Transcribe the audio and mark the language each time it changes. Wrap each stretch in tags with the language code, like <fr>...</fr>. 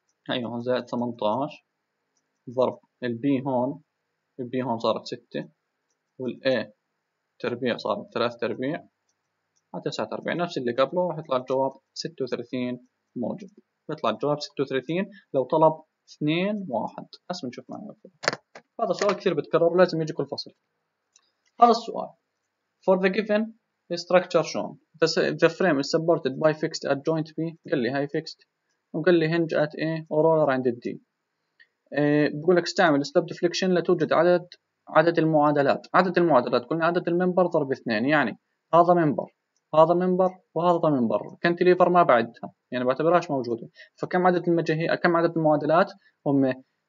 <ar>أيوه هون زائد 18 ضرب ال B هون، ال B هون صارت 6، وال A تربيع صارت 3 تربيع على 9 تربيع، نفس اللي قبله، راح يطلع الجواب 36 موجب. بيطلع الجواب 36 لو طلب 2-1. هسه بنشوف معنا الفرق. هذا سؤال كثير بتكرر، لازم يجي كل فصل. هذا السؤال</ar> <en>for the given structure shown the frame is supported by fixed at joint B.</en> <ar>قال لي هاي fixed، وقال لي</ar> <en>hinge at A</en> <ar>وroller عند D. بقول لك استعمل stop deflection لتوجد عدد المعادلات. عدد المعادلات قلنا عدد الممبر ضرب 2، يعني هذا ممبر، هذا منبر وهذا منبر، كنتيليفر ما بعدها يعني بعتبرهاش موجوده. فكم عدد المجاهيل، كم عدد المعادلات؟ هم</ar>